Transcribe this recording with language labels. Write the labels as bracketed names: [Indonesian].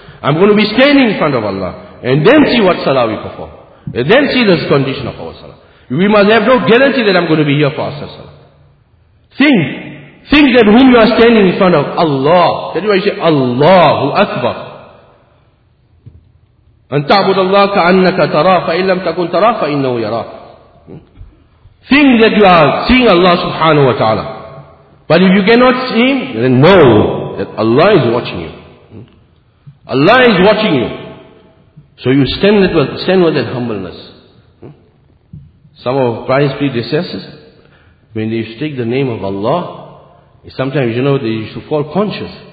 [English] I'm going to be standing in front of Allah. And then see what salah we perform. And then see the condition of our salah. We must have no guarantee that I'm going to be here for Asr salah. Think that whom you are standing in front of, Allah. That is why you say, Allahu Akbar. [Arabic] أن تعبد الله كأنك ترى فإن لم تكن ترى فإنه يرى. [English] Think that you are seeing Allah subhanahu wa ta'ala. But if you cannot see Him, then know that Allah is watching you. Allah is watching you. So you stand with that humbleness. Some of pious predecessors, when they take the name of Allah, sometimes you know they used to fall conscious.